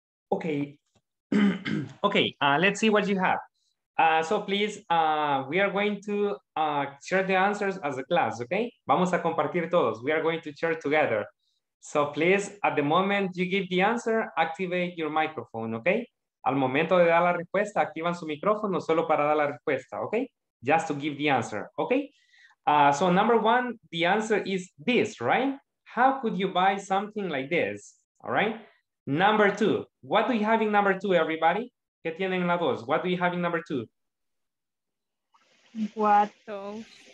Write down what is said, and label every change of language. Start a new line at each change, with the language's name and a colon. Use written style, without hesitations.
English: Okay. Okay, let's see what you have. So please, we are going to share the answers as a class, okay?
Spanish: Vamos a compartir todos.
English: We are going to share together. So please, at the moment you give the answer, activate your microphone, okay?
Spanish: Al momento de dar la respuesta, activan su micrófono solo para dar la respuesta, okay?
English: Just to give the answer, okay? So number one, the answer is this, right? How could you buy something like this, all right? Number two, what do you have in number two, everybody?
Spanish: ¿Qué tienen en la dos?
English: What do you have in number two? What those?